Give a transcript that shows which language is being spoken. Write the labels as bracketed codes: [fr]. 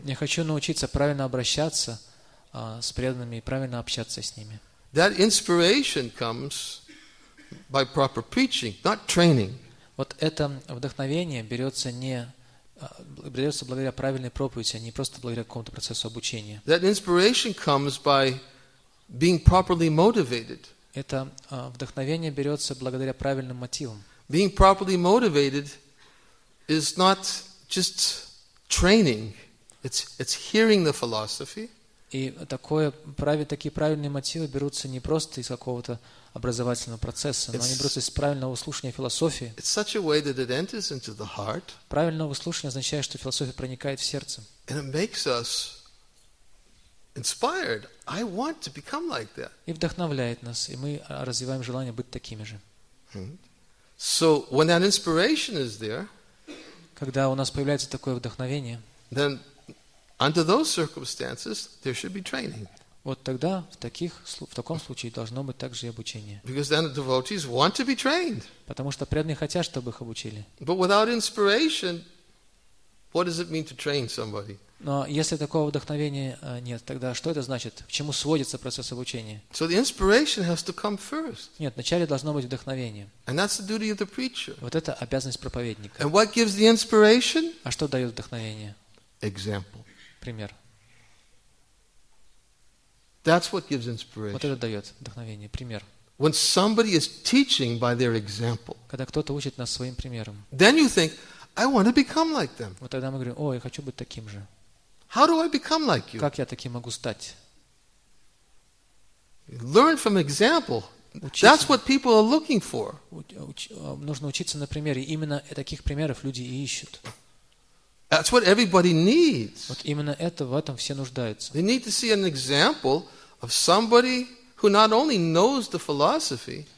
[ru] Я хочу научиться правильно обращаться с преданными и правильно общаться с ними. [en] That inspiration comes by proper preaching, not training. [ru] Вот это вдохновение берется не придётся благодаря правильной проповеди, а не просто благодаря какому-то процессу обучения. [en] That inspiration comes by being properly motivated. [ru] Это вдохновение берется благодаря правильным мотивам. [en] Being properly motivated is not just training. It's hearing the philosophy. [ru] И такое такие правильные мотивы берутся не просто из какого-то образовательного процесса, но они берутся из правильного слушания философии. [en] It's such a way that it enters into the heart. [ru] Правильное слушание означает, что философия проникает в сердце. [en] And it makes us inspired. I want to become like that. [ru] И вдохновляет нас, и мы развиваем желание быть такими же. [en] So when that inspiration is there, [ru] когда у нас появляется такое вдохновение, [en] then under those circumstances, there should be training. [ru] Вот тогда, в таком случае, должно быть также и обучение. [en] Because then the devotees want to be trained. [ru] Потому что преданные хотят, чтобы их обучили. [en] But without inspiration, what does it mean to train somebody? [ru] Но если такого вдохновения нет, тогда что это значит? К чему сводится процесс обучения? [en] So the inspiration has to come first. [ru] Нет, вначале должно быть вдохновение. [en] And that's the duty of the preacher. [ru] Вот это обязанность проповедника. [en] And what gives the inspiration? [ru] А что дает вдохновение? [en] Example. [ru] Пример. [en] That's what gives inspiration. [ru] Вот это дает вдохновение. Пример. [en] When somebody is teaching by their example. [ru] Когда кто-то учит нас своим примером. [en] Then you think, I want to become like them. [ru] Вот тогда мы говорим, о, я хочу быть таким же. [en] How do I become like you? [ru] Как я таким могу стать? [en] Learn from example. [ru] Учиться. [en] That's what people are looking for. [ru] Нужно учиться на примере. Именно таких примеров люди и ищут. [en] That's what everybody needs. [ru] Вот именно это, в этом все нуждаются. [en] They need to see an example of somebody who not only knows the philosophy.